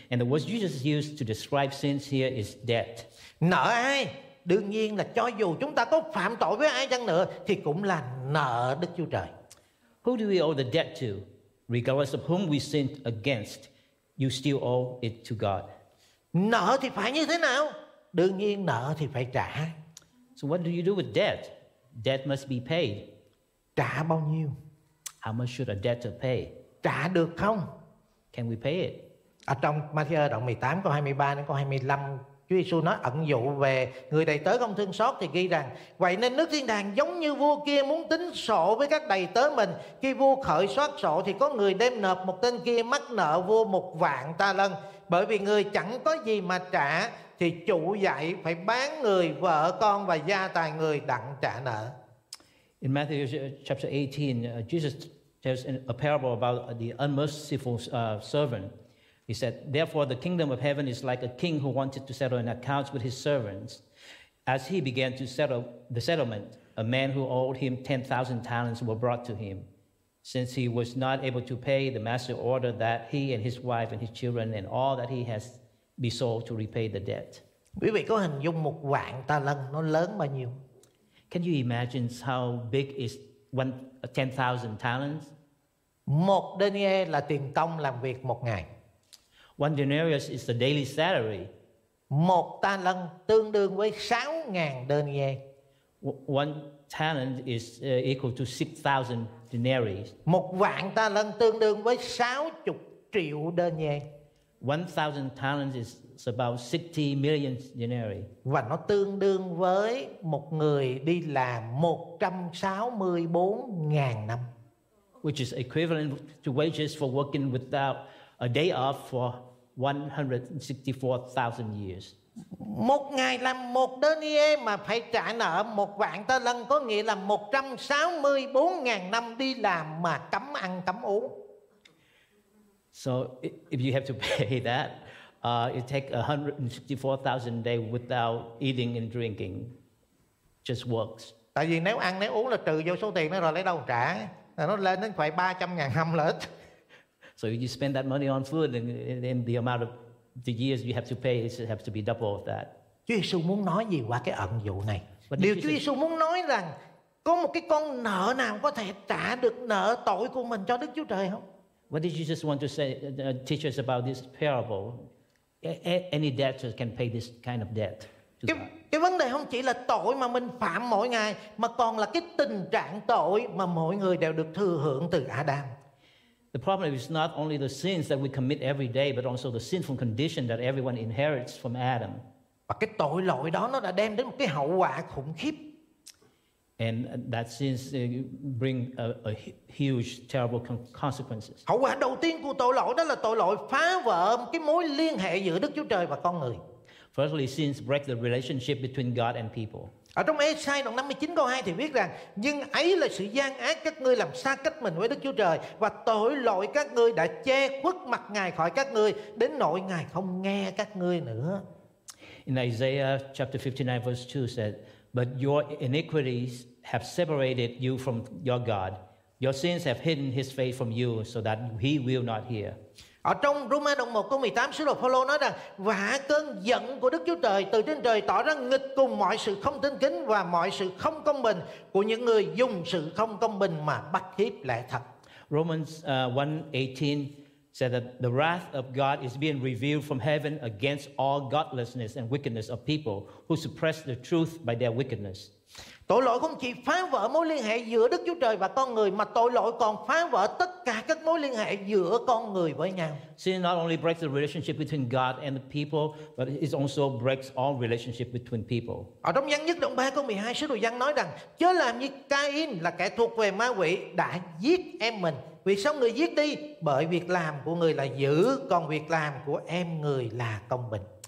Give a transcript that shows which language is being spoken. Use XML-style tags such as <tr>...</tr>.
<en>And the word Jesus used to describe sins here is debt.</en> <vi>Nợ ai? Đương nhiên là cho dù chúng ta có phạm tội với ai chăng nữa thì cũng là nợ Đức Chúa Trời.</vi> <en>Who do we owe the debt to? Regardless of whom we sinned against, you still owe it to God.</en> <vi>Nợ thì phải như thế nào? Đương nhiên nợ thì phải trả.</vi> <en>So what do you do with debt? Debt must be paid.</en> <vi>Trả bao nhiêu?</vi> <en>How much should a debtor pay?</en> <vi>Trả được không?</vi> <en>Can we pay it?</en> <vi>Ở trong Ma-thi-ơ đoạn 18 câu 23 đến câu 25, Chúa Giê-xu nói ẩn dụ về người đầy tớ không thương xót thì ghi rằng: vậy nên nước thiên đàng giống như vua kia muốn tính sổ với các đầy tớ mình. Khi vua khởi soát sổ thì có người đem nộp một tên kia mắc nợ vua 1,000 talân. Bởi vì người chẳng có gì mà trả thì chủ dạy phải bán người, vợ con và gia tài người đặng trả nợ.</vi> <en>In Matthew chapter 18, Jesus tells a parable about the unmerciful servant. He said, therefore the kingdom of heaven is like a king who wanted to settle an account with his servants. As he began to settle the settlement, a man who owed him 10,000 talents were brought to him. Since he was not able to pay, the master ordered that he and his wife and his children and all that he has be sold to repay the debt.</en> <vi>Quý vị có hình dung 1,000 talân nó lớn bao nhiêu?</vi> <en>Can you imagine how big is 10,000 talents?</en> <vi>Một denier là tiền công làm việc một ngày.</vi> <en>One denarius is the daily salary.</en> <vi>Một ta lân tương đương với 6,000 denier.</vi> <en>One talent is equal to 6,000 denarii.</en> <vi>Một vạn ta lân tương đương với 60 triệu denier.</vi> <en>1,000 talents is about 60 million denarii.</en> <vi>Và nó tương đương với một người đi làm 164.000 năm.</vi> <en>Which is equivalent to wages for working without a day off for 164,000 years.</en> <vi>Một ngày làm một denier mà phải trả nợ 1,000 talân có nghĩa là 164.000 năm đi làm mà cấm ăn cấm uống.</vi> <en>So if you have to pay that, it takes 164,000 days without eating and drinking. Just works.</en> <vi>Tại vì nếu ăn nếu uống là trừ vô số tiền đó rồi lấy đâu trả? Nó lên đến phải 300.000 năm lận.</vi> <en>So if you spend that money on food, and the amount of the years you have to pay, it has to be double of that.</en> <vi>Chúa Giêsu muốn nói gì qua cái ẩn dụ này? Điều Chúa Giêsu muốn nói rằng có một cái con nợ nào có thể trả được nợ tội của mình cho Đức Chúa Trời không?</vi> <en>What did Jesus want to say, teach us about this parable? Any debtor can pay this kind of debt.</en> <vi>Cái vấn đề không chỉ là tội mà mình phạm mỗi ngày, mà còn là cái tình trạng tội mà mọi người đều được thừa hưởng từ Adam.</vi> <en>The problem is not only the sins that we commit every day, but also the sinful condition that everyone inherits from Adam.</en> <vi>Và cái tội lỗi đó nó đã đem đến một cái hậu quả khủng khiếp.</vi> <en>And that sins bring a huge, terrible consequences.</en> <vi>Hậu quả đầu tiên của tội lỗi đó là tội lỗi phá vỡ cái mối liên hệ giữa Đức Chúa Trời và con người.</vi> <en>Firstly, sins break the relationship between God and people.</en> <vi>Ở trong Esai đoạn 59 câu 2 thì viết rằng: nhưng ấy là sự gian ác các ngươi làm xa cách mình với Đức Chúa Trời, và tội lỗi các ngươi đã che khuất mặt Ngài khỏi các ngươi, đến nỗi Ngài không nghe các ngươi nữa.</vi> <en>In Isaiah chapter 59 verse 2 said, but your iniquities have separated you from your God. Your sins have hidden his face from you so that he will not hear.</en> <vi>Ở trong Roma đoạn 1 câu 18, sứ đồ Phaolô nói rằng: vả cơn giận của Đức Chúa Trời từ trên trời tỏ ra nghịch cùng mọi sự không tin kính và mọi sự không công bình của những người dùng sự không công bình mà bắt hiếp lẽ thật.</vi> <en>Romans 1:18 said that the wrath of God is being revealed from heaven against all godlessness and wickedness of people who suppress the truth by their wickedness.</en> <vi>Tội lỗi không chỉ phá vỡ mối liên hệ giữa Đức Chúa Trời và con người, mà tội lỗi còn phá vỡ tất cả các mối liên hệ giữa con người với nhau.</vi> <en>Sin not only breaks the relationship between God and the people, but it also breaks all relationship between people.</en> <vi>Ở trong Giăng nhất đoạn 3 câu 12, sứ đồ Giăng nói rằng: chớ làm như Cain là kẻ thuộc về ma quỷ đã giết em mình. Vì sao người giết đi? Bởi việc làm của người là dữ, còn việc làm của em người là công bình.</vi>